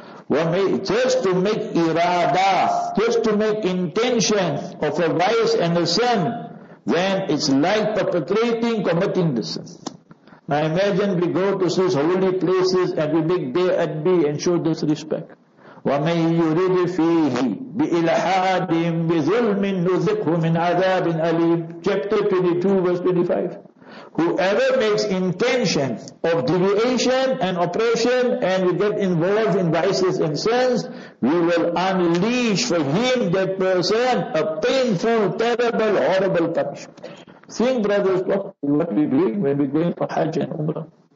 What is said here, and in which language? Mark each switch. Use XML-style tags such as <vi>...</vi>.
<en>Just to make irada, just to make intention of a vice and a sin, then it's like perpetrating, committing the sin. Now imagine we go to such holy places and we make bay'adbi and show disrespect.</en> <ar>وَمَنْ يُرِدْ فِيهِ بِإِلْحَادٍ بِظُلْمٍ نُذِقْهُ مِنْ عَذَابٍ أَلِيمٍ</ar> <en>Chapter 22, verse 25. Whoever makes intention of deviation and oppression and we get involved in vices and sins, we will unleash for him, that person, a painful, terrible, horrible punishment. Think, brothers, what we're doing when we're going for Hajj and Umrah.</en>